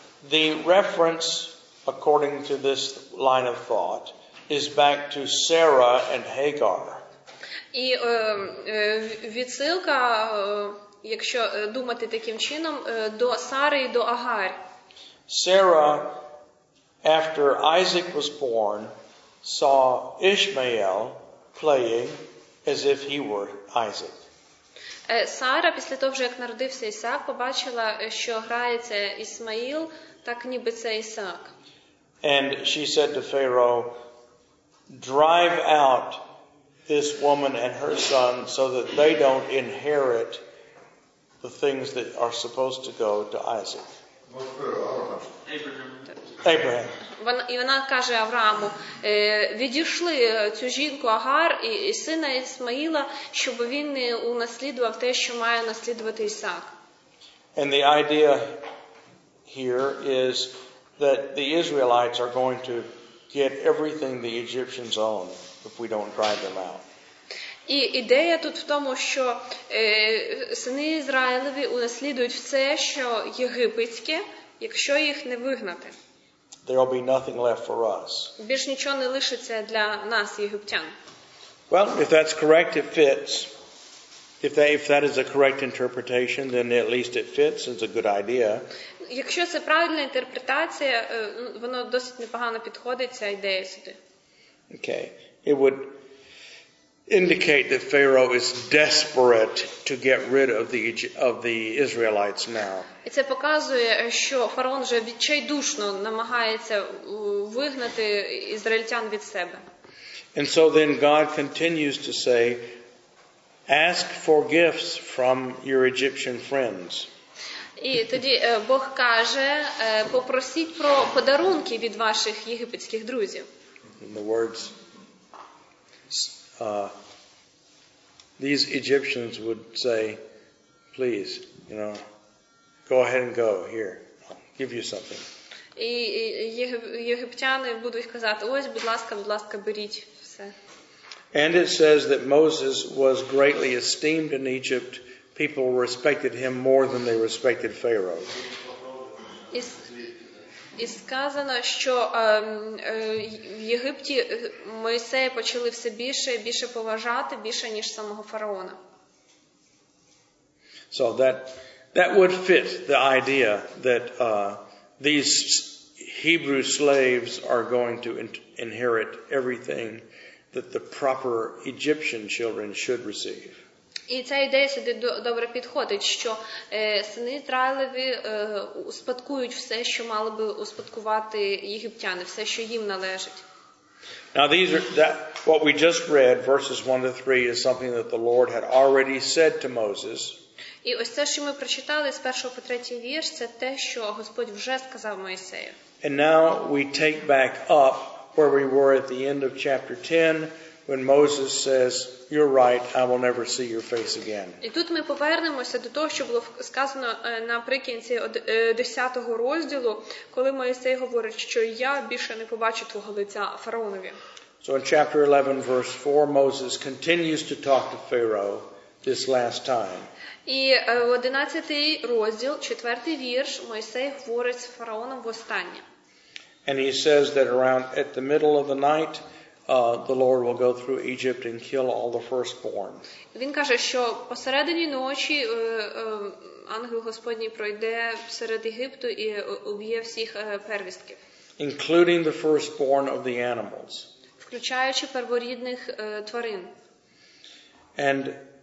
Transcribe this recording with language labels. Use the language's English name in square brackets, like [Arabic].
[English] The reference, according to this line of thought, is back to Sarah and Hagar. [Ukrainian] І відсилка, якщо думати таким чином, до Сари і до Агар. [English] Sarah, after Isaac was born, saw Ishmael playing as if he were Isaac. [Ukrainian] Сара, після того, як народився Ісаак, побачила, що грається Ісмаїл, так ніби це Ісаак. [English] And she said to Pharaoh, drive out this woman and her son so that they don't inherit the things that are supposed to go to Isaac. Abraham. [Ukrainian] І вона каже Аврааму, відійшли цю жінку Агар і сина Ісмаїла, щоб він не унаслідував те, що має наслідувати Ісаак. [English] And the idea here is that the Israelites are going to get everything the Egyptians own if we don't drive them out. [Ukrainian] І ідея тут в тому, що сини Ізраїлеві унаслідують все, що єгипетське, якщо їх не вигнати. [English] There will be nothing left for us. [Ukrainian] Більш нічого не лишиться для нас, єгиптян. [English] Well, if that's correct, it fits. If that is a correct interpretation, then at least it fits. It's a good idea. [Ukrainian] Якщо це правильна інтерпретація, воно досить непогано підходить, ця ідея сюди. [English] Okay. It would indicate that Pharaoh is desperate to get rid of the Israelites now. [Ukrainian] І це показує, що фараон вже відчайдушно намагається вигнати ізраїльтян від себе. [English] And so then God continues to say, ask for gifts from your Egyptian friends. [Ukrainian] І тоді Бог каже, попросіть про подарунки від ваших єгипетських друзів. [English] In the words, these Egyptians would say, please, you know, go ahead and go here. I'll give you something. [Ukrainian] І єгиптяни будуть казати: "Ось, будь ласка, беріть все". [English] And it says that Moses was greatly esteemed in Egypt. People respected him more than they respected Pharaoh. [Ukrainian] І сказано, що в Єгипті Мойсея почали все більше і більше поважати, більше ніж самого фараона. [English] So that would fit the idea that these Hebrew slaves are going to inherit everything that the proper Egyptian children should receive. [Ukrainian] І ця ідея сюди добре підходить, що сини Ізраїлеві успадкують все, що мали би успадкувати єгиптяни, все, що їм належить. [English] Now these are that what we just read, verses 1 to 3 is something that the Lord had already said to Moses. [Ukrainian] І ось це, що ми прочитали з 1 по 3 вірш, це те, що Господь вже сказав Мойсею. [English] And now we take back up where we were at the end of chapter 10, when Moses says, you're right, I will never see your face again. [Ukrainian] І тут ми повернемося до того, що було сказано наприкінці 10 розділу, коли Мойсей говорить, що я більше не побачу твого лиця фараонові. [English] So in chapter 11, verse 4, Moses continues to talk to Pharaoh this last time. [Ukrainian] І в 11 розділ, 4 вірш, Мойсей говорить з фараоном востаннє. [English] And he says that around at the middle of the night, the Lord will go through Egypt and kill all the firstborn. [Ukrainian] Він каже, що посередині ночі ангел Господній пройде серед Єгипту і уб'є всіх первістків. [English] Including the firstborn of the animals. [Ukrainian] Включаючи перворідних тварин. [English] And